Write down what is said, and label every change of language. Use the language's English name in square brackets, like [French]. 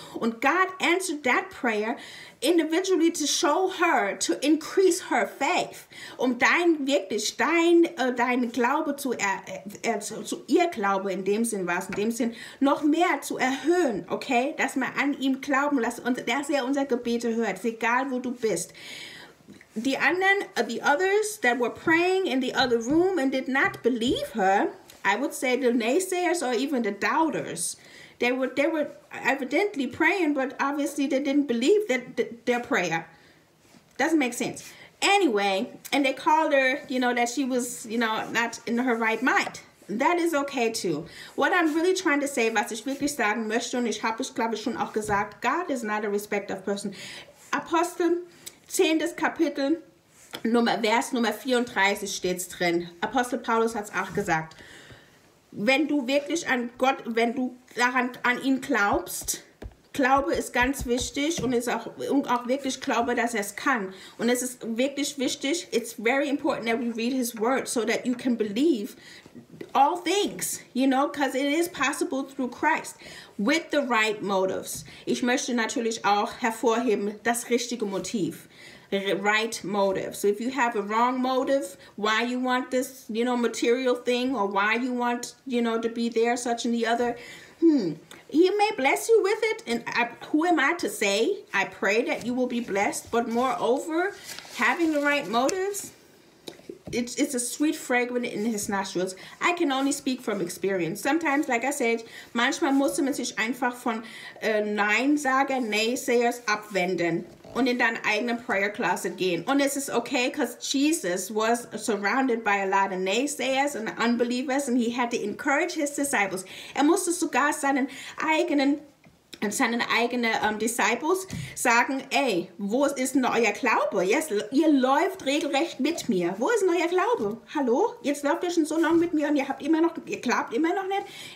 [German] Und [English] God answered that prayer individually to show her, to increase her faith, [German] um dein Glaube zu ihr Glaube, in dem Sinn war es, in dem Sinn, noch mehr zu erhöhen, okay, dass man an ihm glauben lässt und dass er unser Gebete hört, egal wo du bist. [English] The anderen, the others that were praying in the other room and did not believe her, I would say the naysayers or even the doubters, they were evidently praying, but obviously they didn't believe that their prayer. Doesn't make sense. Anyway, and they called her, you know, that she was, you know, not in her right mind. That is okay too. What I'm really trying to say, [German] was ich wirklich sagen möchte, und ich habe es, glaube ich, schon auch gesagt, [English] God is not a respect of person. [German] Apostel 10. Kapitel, Vers Nummer 34 steht es drin. Apostel Paulus hat es auch gesagt. Wenn du wirklich an Gott, wenn du daran, an ihn glaubst, Glaube ist ganz wichtig und ist auch wirklich Glaube, dass er es kann. Und es ist wirklich wichtig, [English] it's very important that we read his word so that you can believe all things, you know, because it is possible through Christ with the right motives. [German] Ich möchte natürlich auch hervorheben das richtige Motiv. [English] Right motive. So if you have a wrong motive, why you want this, you know, material thing, or why you want, you know, to be there, such and the other, he may bless you with it. And I, who am I to say? I pray that you will be blessed. But moreover, having the right motives, it's a sweet fragrance in his nostrils. I can only speak from experience. Sometimes, like I said, [German] manchmal muss man sich einfach von Neinsager, Naysayers abwenden. Und in deine eigene prayer closet gehen. Und es ist okay, [English] because Jesus was surrounded by a lot of naysayers and unbelievers, and he had to encourage his disciples. [German] Er musste sogar seinen eigenen Disciples sagen, ey, wo ist denn euer Glaube? Yes, ihr läuft regelrecht mit mir. Wo ist denn euer Glaube? Hallo? Jetzt lauft ihr schon so lange mit mir und ihr glaubt immer noch nicht?